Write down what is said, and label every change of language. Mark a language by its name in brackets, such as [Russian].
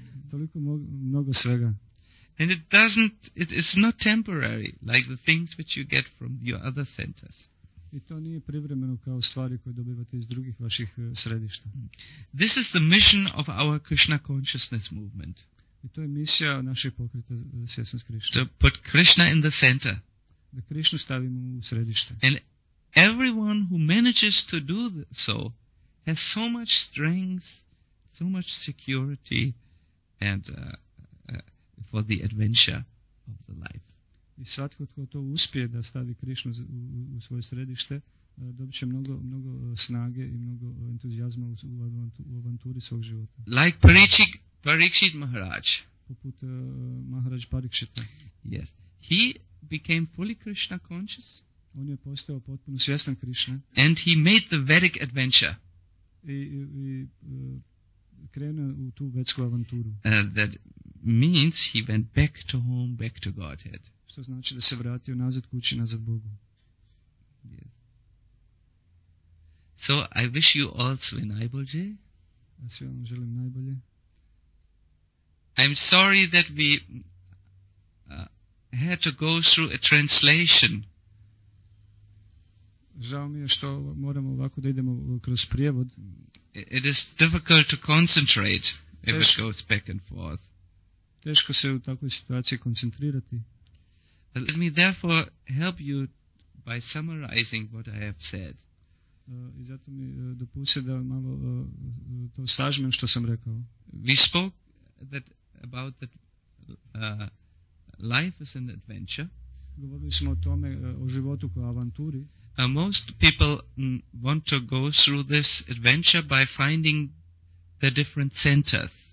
[Croatian] Toliko mnogo svega. [English] And it is not temporary like the things which you get from your other centers. [Croatian] I to nije privremeno kao stvari koje dobivate iz drugih vaših središta. [English] This is the mission of our Krishna consciousness movement. [Croatian] I to je misija našeg pokreta svjesnost Krishna. [English] To put Krishna in the center. [Croatian] Da Krishnu stavimo u središte. [English] And everyone who manages to do so has so much strength, so much security and for the adventure of the life. [Croatian] I svatko tko to uspije da stavi Krishnu u svoje središte, dobit će mnogo, mnogo snage i mnogo entuzijazma u avanturi svog života. [English] Like Parikshit Maharaj. [Croatian] Poput Maharaj Parikshita. [English] Yes. He became fully Krishna conscious. [Croatian] On je postao potpuno svjestan Krishna. [English] And he made the Vedic adventure. [Croatian] I krenuo u tu vedsku avanturu. [English] That means he went back to home, back to Godhead. [Croatian] To znači da se vratio nazad kući, nazad Bogu. [English] Yes. So I wish you all [Croatian] sve najbolje. Ja sve vam želim najbolje. [English] I'm sorry that we had to go through a translation. [Croatian] Žao mi je što moramo ovako da idemo kroz prijevod. [English] It is difficult to concentrate if it goes back and forth. [Croatian] Teško se u takvoj situaciji koncentrirati. [English] Let me therefore help you by summarizing what I have said. [Croatian] I zato mi dopuste da malo to sažmem što sam rekao. [English] We spoke about that life is an adventure. [Croatian] Govorili smo o tome, o životu kao avanturi. [English] Most people want to go through this adventure by finding the different centers.